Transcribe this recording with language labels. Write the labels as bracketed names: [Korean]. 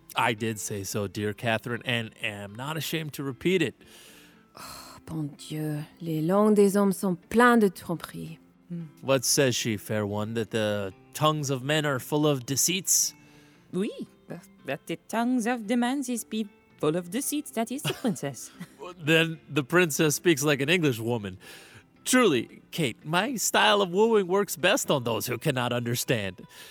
[English] I did say so, dear Catherine, and am not ashamed to repeat it. [French] Oh, bon Dieu, les langues des hommes sont pleines de tromperies. [English] What says she, fair one, that the tongues of men are full of deceits? Oui, that the tongues of demands is be full of deceits, that is the princess. Then the princess speaks like an English woman. Truly, Kate, my style of wooing works best on those who cannot understand.